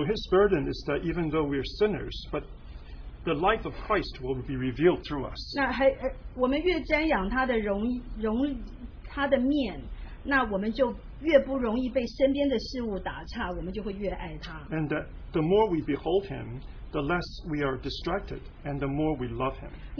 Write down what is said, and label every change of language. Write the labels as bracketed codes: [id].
[en] his burden is that even though we are sinners, but the life of Christ will be revealed through us. [zh] 那还我们越瞻仰他的荣他的面，那我们就越不容易被身边的事物打岔，我们就会越爱他。And [en] the more we behold him, the less we are distracted, and the more we love him.